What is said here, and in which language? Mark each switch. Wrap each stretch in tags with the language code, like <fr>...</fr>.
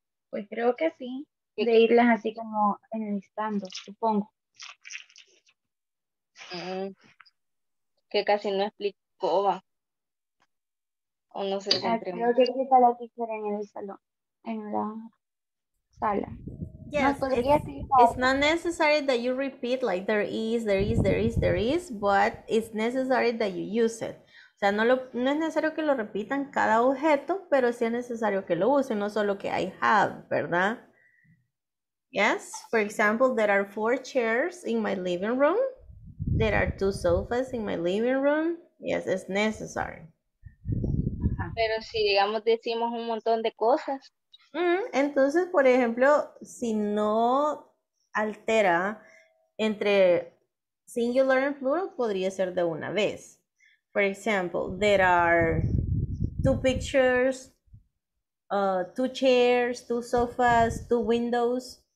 <es>Pues creo que sí. De irlas así como enlistando, supongo. Que casi no explicó va. O no sé si creo que está la teacher en el salón, en la sala.</es> <en>Yes, it's not necessary that you repeat like there is, there is, there is, there is, but it's necessary that you use it.</en> <es>O sea, no es necesario que lo repitan cada objeto, pero sí es necesario que lo usen, no solo que</es> <en>I have,</en> <es>¿verdad?</es> <en>Yes, for example, there are four chairs in my living room. There are two sofas in my living room. Yes, it's necessary.</en> <es>Pero si, digamos, decimos un montón de cosas. Entonces, por ejemplo, si no altera entre singular and plural, podría ser de una vez.</es> <en>For example, there are two pictures, two chairs, two sofas, two windows.</en>